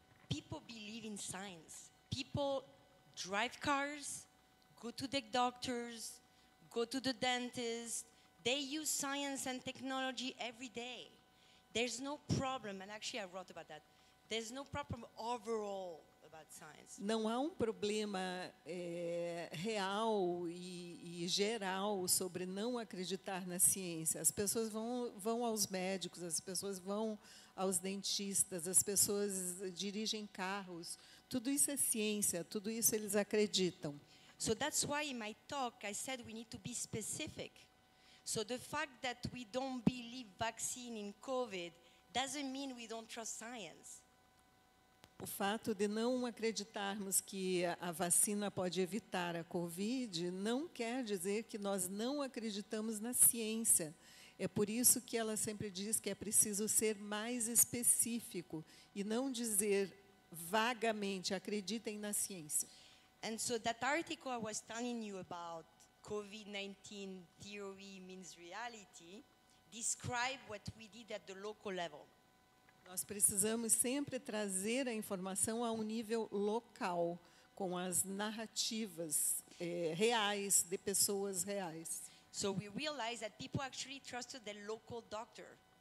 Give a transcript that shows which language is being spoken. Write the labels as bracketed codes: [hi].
[en] People believe in science. People drive cars, go to the doctors, go to the dentist. They use science and technology every day. There's no problem, and actually I wrote about that. There's no problem overall about science. [pt] Não há um problema real e geral sobre não acreditar na ciência. As pessoas vão aos médicos, as pessoas vão aos dentistas, as pessoas dirigem carros. Tudo isso é ciência, tudo isso eles acreditam. [en] So that's why in my talk I said we need to be specific. So the fact that we don't believe vaccine in COVID doesn't mean we don't trust science. [pt] O fato de não acreditarmos que a vacina pode evitar a COVID não quer dizer que nós não acreditamos na ciência. É por isso que ela sempre diz que é preciso ser mais específico e não dizer vagamente acreditem na ciência. [en] And so that article I was telling you about COVID-19 theory means reality describe what we did at the local level. [pt] Nós precisamos sempre trazer a informação a um nível local com as narrativas reais de pessoas reais. [en] So we realize that people actually trust the local doctor.